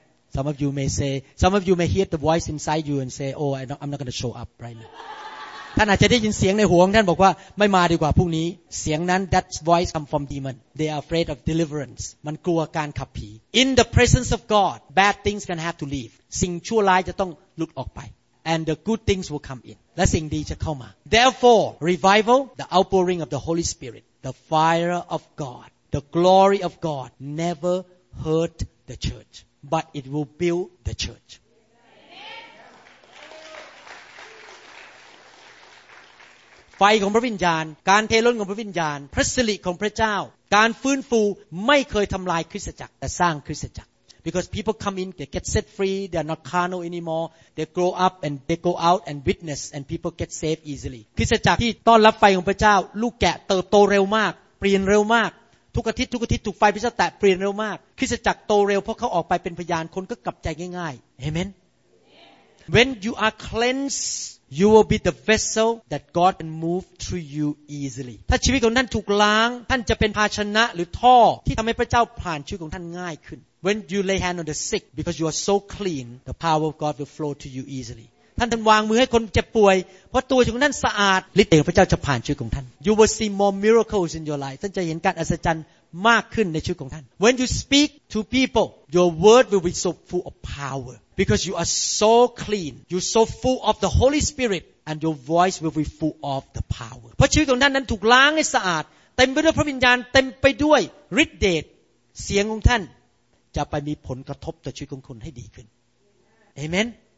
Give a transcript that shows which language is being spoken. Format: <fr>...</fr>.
<en>Some of you may hear the voice inside you and say oh I'm not going to show up right now</en> <th>ท่านอาจจะได้ยินเสียงในหัวของท่านบอกว่าไม่มาดีกว่าพรุ่งนี้เสียงนั้น</th> <en>that voice come from demon they are afraid of deliverance</en> <th>มันกลัวการขับผี</th> <en>in the presence of God bad things can have to leave</en> <th>สิ่งชั่วร้ายจะต้องหลุดออกไป</th> <en>and the good things will come in</en> <th>และสิ่งดีจะเข้ามา</th> <en>therefore revival the outpouring of the Holy Spirit the fire of God the glory of God never hurt the church but it will build the church</en> <th>ไฟของพระวิญญาณการเทล้นของพระวิญญาณพระสิริของพระเจ้าการฟื้นฟูไม่เคยทำลายคริสตจักรแต่สร้างคริสตจักร</th> <en>because people come in they get set free they're not carnal anymore they grow up and they go out and witness and people get saved easily</en> <th>คริสตจักรที่ต้อนรับไฟของพระเจ้าลูกแกะเติบโตเร็วมากเปลี่ยนเร็วมากทุกอาทิตย์ถูกไฟพิเศษแตะเปลี่ยนเร็วมากคริสตจักรโตเร็วเพราะเขาออกไปเป็นพยานคนก็กลับใจง่ายๆ</th> <en>amen when you are cleansedYou will be the vessel that God can move through you easily.</en> <th>ถ้าชีวิตของท่านถูกล้างท่านจะเป็นภาชนะหรือท่อที่ทำให้พระเจ้าผ่านชีวิตของท่านง่ายขึ้น</th> <en>When you lay hand on the sick because you are so clean, the power of God will flow to you easily.</en> <th>ท่านวางมือให้คนเจ็บป่วยเพราะตัวของท่านสะอาด ฤทธิ์เดชพระเจ้าจะผ่านชีวิตของท่าน</th> <en>You will see more miracles in your life.</en> <th>ท่านจะเห็นการอัศจรรย์ มากขึ้นในชีวิตของท่าน</th> <en>When you speak to people your word will be so full of power because you are so clean you're so full of the Holy Spirit and your voice will be full of the power</en> <th>เพราะชีวิตของท่านนั้นถูกล้างให้สะอาดเต็มไปด้วยพระวิญญาณเต็มไปด้วยฤทธิ์เดชเสียงของท่านจะไปมีผลกระทบต่อชีวิตของคนให้ดีขึ้นเอเมน</th>